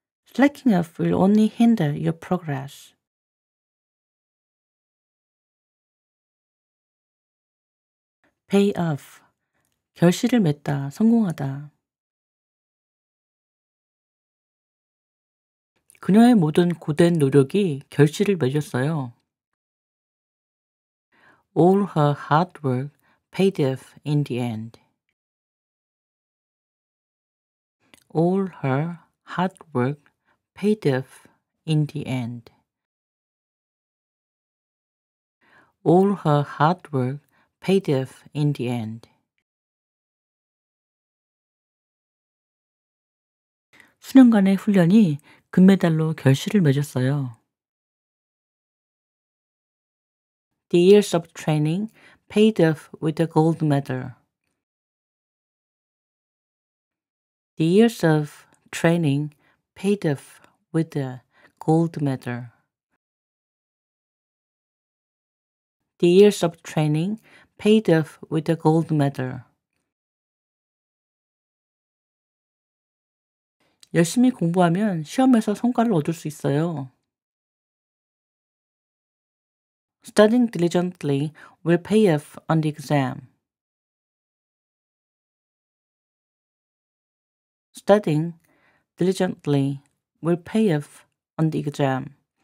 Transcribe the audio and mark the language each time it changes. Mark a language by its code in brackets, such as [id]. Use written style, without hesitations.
[en] Slacking off will only hinder your progress. [ko] 결실을 맺다, 성공하다. 그녀의 모든 고된 노력이 결실을 맺었어요. [en] All her hard work paid off in the end. All her hard work paid off in the end. All her hard work paid off in the end. [ko] 수년간의 훈련이 금메달로 결실을 맺었어요. [en] The years of training paid off with a gold medal. The years of training paid off with a gold medal. The years of training paid off with a gold medal. [ko] 열심히 공부하면 시험에서 성과를 얻을 수 있어요. [en] Studying diligently will pay off on the exam. Studying diligently will pay off on the exam.